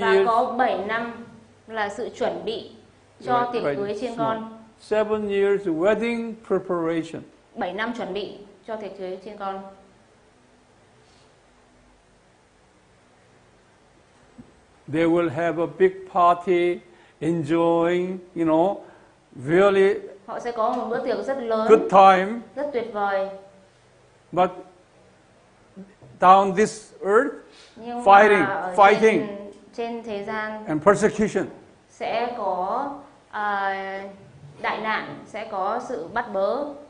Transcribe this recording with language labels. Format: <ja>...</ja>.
<vi>Và có 7 năm là sự chuẩn bị cho tiệc cưới trên con.</vi> <en>7 years wedding preparation.</en> <vi>7 năm chuẩn bị cho tiệc cưới trên con.</vi> <en>They will have a big party, enjoying, you know, really.</en> <vi>Họ sẽ có một bữa tiệc rất lớn.</vi> <en>Good time.</en> <vi>Rất tuyệt vời.</vi> <en>But down this earth, fighting.</en> <vi>Trên thế gian.</vi> <en>And persecution.</en> <vi>Sẽ có đại nạn, sẽ có sự bắt bớ.</vi>